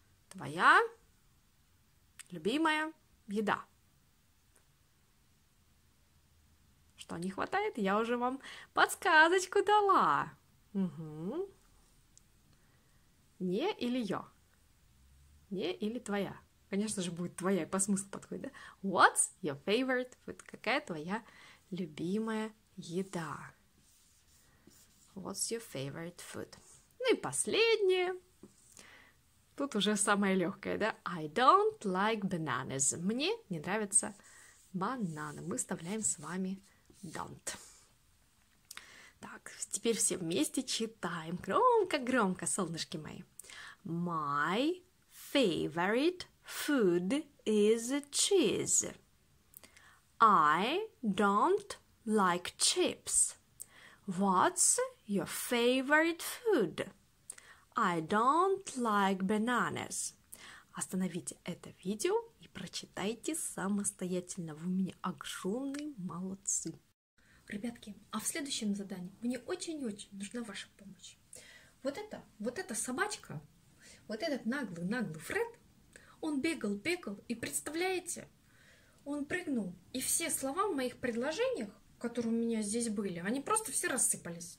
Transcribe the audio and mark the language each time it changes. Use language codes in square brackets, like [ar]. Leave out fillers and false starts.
[ru] Твоя любимая еда. Что не хватает? Я уже вам подсказочку дала. Угу. Не или ё. Не или твоя. Конечно же, будет твоя, по смыслу подходит, да? [en] What's your favorite food? [ru] Какая твоя любимая еда? [en] What's your favorite food? [ru] Ну и последнее. Тут уже самое легкое, да? [en] I don't like bananas. [ru] Мне не нравятся бананы. Мы вставляем с вами [en] don't. [ru] Так, теперь все вместе читаем. Громко-громко, солнышки мои. [en] My favorite food is cheese. I don't like chips. What's your favorite food? I don't like bananas. [ru] Остановите это видео и прочитайте самостоятельно. Вы мне огромные молодцы. Ребятки, а в следующем задании мне очень-очень нужна ваша помощь. Вот эта собачка, вот этот наглый-наглый Фред, он бегал, и представляете, он прыгнул, и все слова в моих предложениях, которые у меня здесь были, они просто все рассыпались.